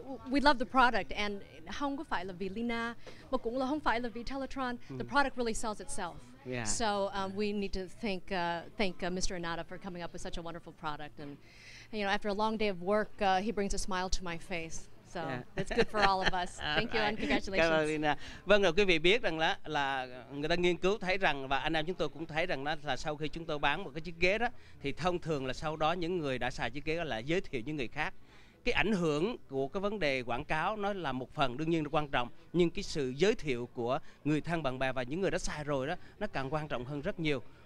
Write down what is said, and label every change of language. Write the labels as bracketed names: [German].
[English] We love the product, and [Vietnamese] không có phải là vì Lina, mà cũng là không phải là vì Teletron. [English] The product really sells itself. Yeah. So we need to thank Mr. Inada for coming up with such a wonderful product, and you know, after a long day of work, he brings a smile to my face. So that's good for all of us. Thank you and congratulations. [Vietnamese] Vâng, rồi quý vị biết rằng là người ta nghiên cứu thấy rằng, và anh em chúng tôi cũng thấy rằng là sau khi chúng tôi bán một cái chiếc ghế đó, thì thông thường là sau đó những người đã xài chiếc ghế đó lại giới thiệu những người khác. Cái ảnh hưởng của cái vấn đề quảng cáo nó là một phần đương nhiên là quan trọng, nhưng cái sự giới thiệu của người thân bạn bè và những người đã xài rồi đó nó càng quan trọng hơn rất nhiều.